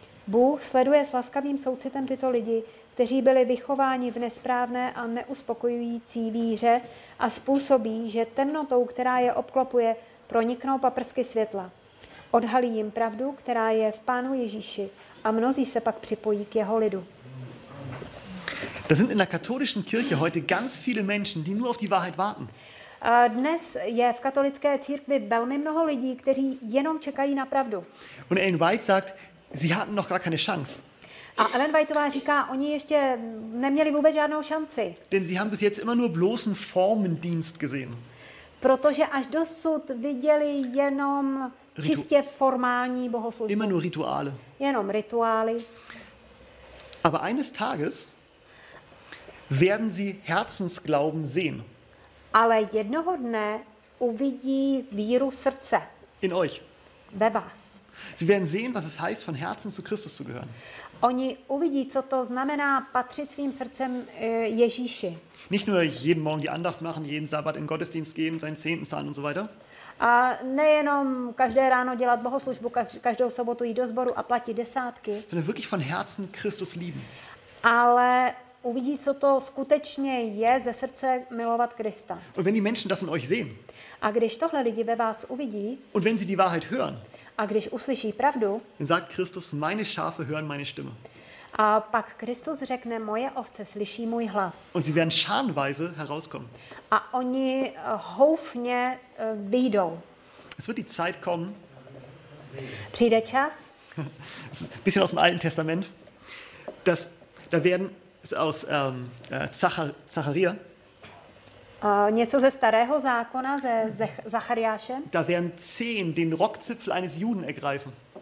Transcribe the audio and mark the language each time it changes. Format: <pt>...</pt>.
<cs>Bůh sleduje s laskavým soucitem tyto lidi, kteří byli vychováni v nesprávné a neuspokojující víře a způsobí, že temnotou, která je obklopuje, proniknou paprsky světla. Odhalí jim pravdu, která je v Pánu Ježíši, a mnozí se pak připojí k jeho lidu.</cs> <de>Da sind in der katholischen Kirche heute ganz viele Menschen, die nur auf die Wahrheit warten.</de> <cs>Dnes je v katolické církvi velmi mnoho lidí, kteří jenom čekají na pravdu.</cs> <de>Und Ellen White sagt, sie hatten noch gar keine Chance.</de> <cs>A Ellen Whiteová říká, oni ještě neměli vůbec žádnou šanci.</cs> <de>Denn sie haben bis jetzt immer nur bloßen Formendienst gesehen.</de> <cs>Protože až dosud viděli jenom čistě formální bohoslužbu.</cs> <de>Immer nur Rituale.</de> <cs>Jenom rituály.</cs> <de>Aber eines Tages werden sie Herzensglauben sehen.</de> <cs>Ale jednoho dne uvidí víru srdce.</cs> <de>In euch.</de> <cs>Ve vás.</cs> <de>Sie werden sehen, was es heißt, von Herzen zu Christus zu gehören.</de> <cs>Oni uvidí, co to znamená patřit svým srdcem Ježíši.</cs> <de>Nicht nur jeden Morgen die Andacht machen, jeden Sabbat in Gottesdienst gehen, seinen Zehnten zahlen und so weiter.</de> <cs>A nejenom každé ráno dělat bohoslužbu, každou sobotu jít do sboru a platit desátky.</cs> <de>Sondern wirklich von Herzen Christus lieben.</de> <cs>Ale uvidí, co to skutečně je ze srdce milovat Krista.</cs> <de>Und wenn die Menschen das in euch sehen.</de> <cs>A když tohle lidi ve vás uvidí.</cs> <de>Und wenn sie die Wahrheit hören.</de> <cs>A když uslyší pravdu,</cs> <de>sagt Christus, meine Schafe hören meine Stimme.</de> <cs>A pak Kristus řekne, moje ovce slyší můj hlas.</cs> <de>Und sie werden scharenweise herauskommen.</de> <cs>A oni houfně vyjdou.</cs> <de>Es wird die Zeit kommen.</de> <cs>Přijde čas.</cs> <de>Bisschen aus dem Alten Testament. Das, da werden aus Zachariah.</de> <cs>Něco ze starého zákona, ze Zachariáše.</cs> <de>Da werden 10 den Rockzipfel eines Juden ergreifen.</de>